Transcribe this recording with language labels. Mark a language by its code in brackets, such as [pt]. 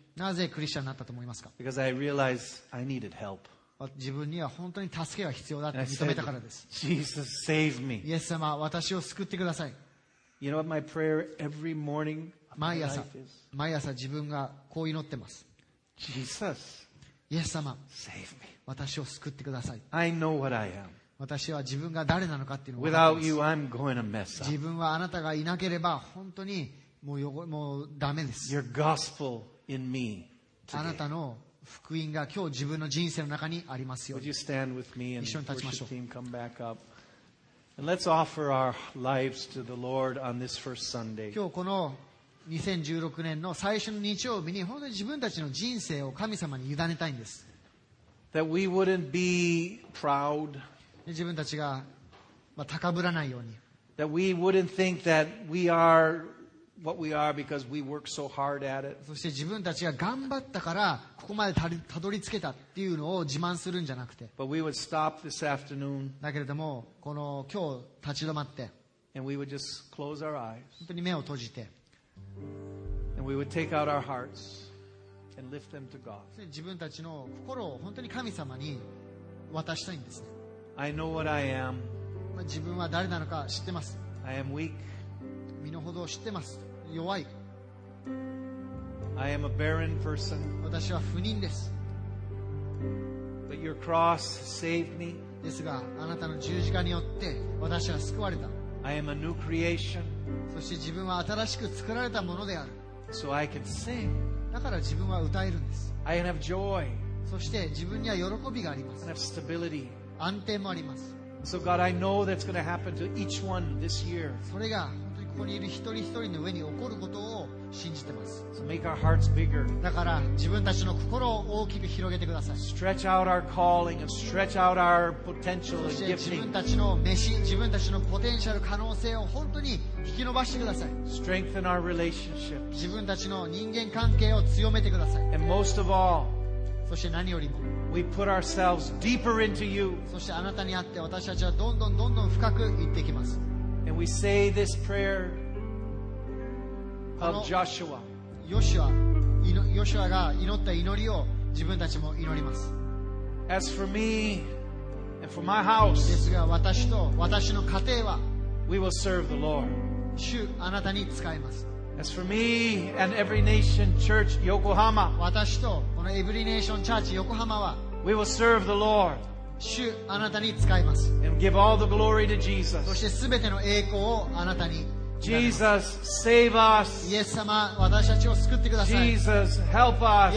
[ja] なぜクリスチャンになったと思いますか？ [en] Because I realized I needed help. [ja] 自分には本当に助けが必要だと認めたからです。 [en] Jesus, save me. [ja] イエス様、私を救ってください。 [en] You know what my prayer every morning of my life is? [ja] 毎朝自分がこう祈ってます。 [en] Jesus. [ja] イエス様、 [en] Save me. [ja] 私を救ってください。 [en] I know what I am. [ja] 私は自分が誰なのかっていうのを分かります。 [en] Without you, I'm going to mess up. [ja] 自分はあなたがいなければ本当にもうダメです。 [en] Your gospel in me [ja] あなたの福音が今日自分の人生の中にありますように。 [en] Would you stand with me and the worship team come back up? And let's offer our lives to the Lord on this first Sunday. [ja] 今日この2016年の最初の日曜日に本当に自分たちの人生を神様に委ねたいんです。 [en] That we wouldn't be proud. [ja] 自分たちが高ぶらないように。 [en] That we wouldn't think that we are what we are because we work so hard at it. [ja] そして自分たちが頑張ったからここまでたどり着けたっていうのを自慢するんじゃなくて。 [en] But we would stop this afternoon. [ja] だけれどもこの今日立ち止まって。 [en] And we would just close our eyes. [ja] 本当に目を閉じて。 [en] And we would take out our hearts and lift them to God. [ja] 自分たちの心を本当に神様に渡したいんですね。 [en] I know what I am. [ja] 自分は誰なのか知ってます。 [en] I am weak. [ja] 身の程を知ってます。弱い。 [en] I am a barren person. [ja] 私は不妊です。 [en] But your cross saved me. [ja] ですが、あなたの十字架によって私は救われた。 [en] I am a new creation. [ja] そして自分は新しく作られたものである。 [en] So I can sing. [ja] だから自分は歌えるんです。 [en] I have joy. [ja] そして自分には喜びがあります。 [en] I have stability. [ja] 安定もあります。 [en] So God, I know that's going to happen to each one this year. [ja] それが本当にここにいる一人一人の上に起こることを信じてます。 [en] So make our hearts bigger. [ja] だから自分たちの心を大きく広げてください。 [en] Stretch out our calling and stretch out our potential and gifting. [ja] そして自分たちの召し、自分たちのポテンシャル可能性を本当に引き伸ばしてください。 [en] Strengthen our relationship. [ja] 自分たちの人間関係を強めてください。 [en] And most of all. [ja] そして何よりも [en] We put ourselves deeper into you. [ja] そしてあなたにあって私たちはどんどんどんどん深く行ってきます [en] And we say this prayer of Joshua. [ja] ヨシュアが祈った祈りを自分たちも祈ります [en] As for me and for my house, [ja] ですが私と私の家庭は [en] We will serve the Lord. [ja] 主あなたに仕えます [en] As for me and every nation church Yokohama, [ja] 私とこのエブリネーションチャーチ横浜は [en] we will serve the Lord, [ja] 主あなたに使います [en] and give all the glory to Jesus. [ja] そしてすべての栄光をあなたに [en] Jesus, save us. [ja] イエス様、私たちを救ってください [en] Jesus, help us.